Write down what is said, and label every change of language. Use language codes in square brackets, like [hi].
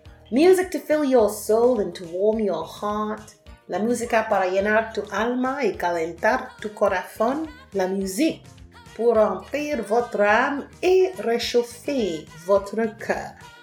[en] Music to fill your soul and to warm your heart. [es] La música para llenar tu alma y calentar tu corazón. [fr] La musique pour remplir votre âme et réchauffer votre cœur.